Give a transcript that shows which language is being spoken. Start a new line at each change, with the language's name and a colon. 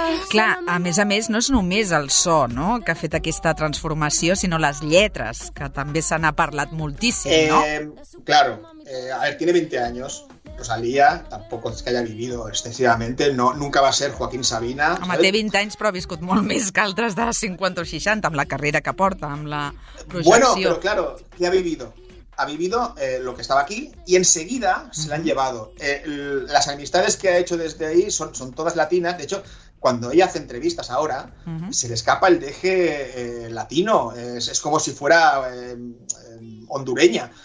Catalan: Clar, a més, no és només el so, no?, que ha fet aquesta transformació, sinó les lletres, que també se n'ha parlat moltíssim, no?
Spanish: Claro, a ver, tiene 20 años, Rosalía, tampoco es que haya vivido excesivamente, no, nunca va a ser Joaquín Sabina.
Catalan: Home, ¿sabes? Té 20 anys, però ha viscut molt més que altres de 50 o 60, amb la carrera que porta, amb la projecció.
Spanish: Bueno, pero claro, ¿qué ha vivido? Ha vivido lo que estaba aquí y enseguida se la han llevado. Las amistades que ha hecho desde ahí son todas latinas. De hecho, cuando ella hace entrevistas ahora, se le escapa el deje latino. Es como si fuera hondureña.